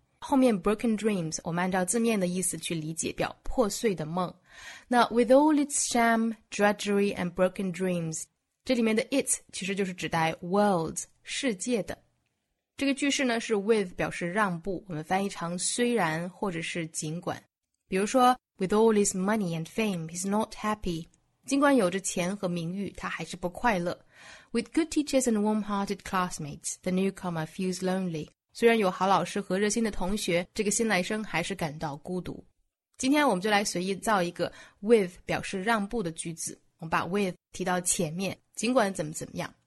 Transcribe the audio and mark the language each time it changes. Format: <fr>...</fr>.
<zh>后面 broken dreams 我们按照字面的意思去理解表破碎的梦。那</zh> <en>with all its sham, drudgery and broken dreams,</en> <zh>这里面的 its 其实就是指代 world, 世界的。这个句式呢是 with 表示让步，我们翻译成虽然或者是尽管。比如说</zh> <en>with all his money and fame, he's not happy.</en> <zh>尽管有着钱和名誉他还是不快乐。</zh> <en>With good teachers and warm-hearted classmates, the newcomer feels lonely.</en> <zh>虽然有好老师和热心的同学，这个新来生还是感到孤独。今天我们就来随意造一个 with 表示让步的句子，我们把 with 提到前面，尽管怎么怎么样。</zh>